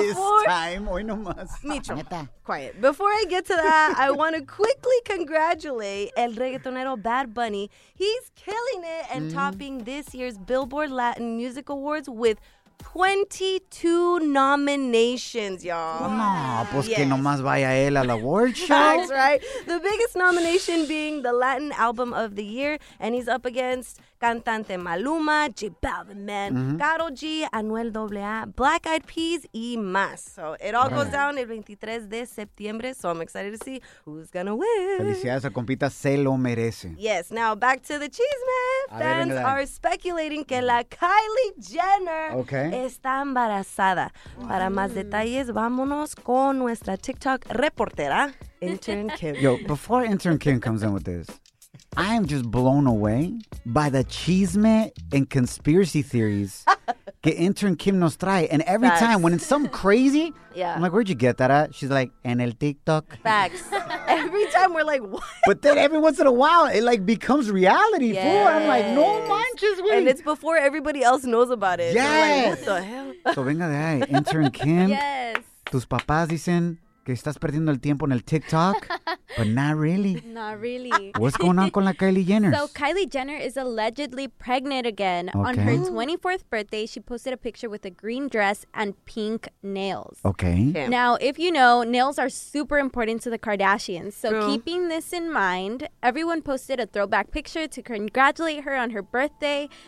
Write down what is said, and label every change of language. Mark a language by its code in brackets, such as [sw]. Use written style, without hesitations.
[en] this time, [es] hoy no más. [en] Micho, quiet. Before I get to that, I want to quickly congratulate [es] el reggaetonero [en] Bad Bunny. He's killing it and topping this year's Billboard Latin Music Awards with 22 nominations, y'all. [es] No, pues que nomás vaya él al [en] award show. That's right. The biggest nomination being the Latin Album of the Year, and he's up against Cantante Maluma, J Balvin, man, Karol G, Anuel AA, Black Eyed Peas, [es] y más. [en] So it all goes down [es] el 23 de septiembre, [en] so I'm excited to see who's going to win. [es] Felicidades a compita, se lo merece. [en] Yes, now back to the chisme. Fans are speculating [es] que la Kylie Jenner está embarazada. Para más detalles, vámonos con nuestra TikTok reportera, Intern Kim. [en] Yo, before Intern Kim comes in with this, I am just blown away by the chisme and conspiracy theories [es] que Intern Kim nos trae. [en] And every time when it's something crazy, I'm like, where'd you get that at? She's like, [es] en el TikTok. [en] Facts. Every time we're like, what? But then every once in a while, it like becomes reality. Yes. Fool. I'm like, [es] no manches, [en] wait. And it's before everybody else knows about it. Yes. Like, what the hell? [es] So venga de ahí, Intern Kim. [en] Yes. [es] Tus papás dicen que estás perdiendo el tiempo en el TikTok. [en] But not really. Not really. What's going on [es] con la [en] Kylie Jenner? So Kylie Jenner is allegedly pregnant again. Okay. On her 24th birthday, she posted a picture with a green dress and pink nails. Okay. Damn. Now, if you know, nails are super important to the Kardashians. So keeping this in mind, everyone posted a throwback picture to congratulate her on her birthday.